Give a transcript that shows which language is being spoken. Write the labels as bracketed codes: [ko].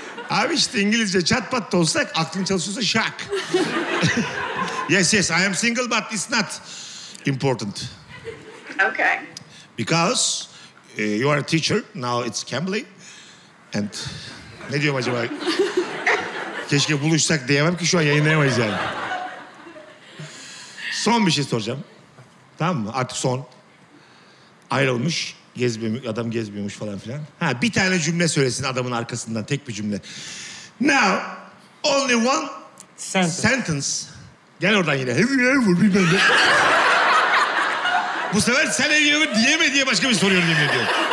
[tr] Abi işte İngilizce çat pat da olsak aklın çalışıyorsa şak. [en] Yes, I am single but it's not important. Okay. Because you are a teacher, now it's Cambly. [tr] And ne diyorum acaba? Keşke buluşsak diyemem ki şu an yayınlayamayız yani. Son bir şey soracağım. Tamam mı? Artık son. Ayrılmış, gezmiyormuş, adam gezmiyormuş falan filan. Ha, bir tane cümle söylesin adamın arkasından, tek bir cümle. [en] Now, only one sentence. [tr] Gel oradan yine. [en] Have you ever been there? [tr] Bu sefer sen heavy ever diye mi diye başka bir soruyorum yemin ediyorum.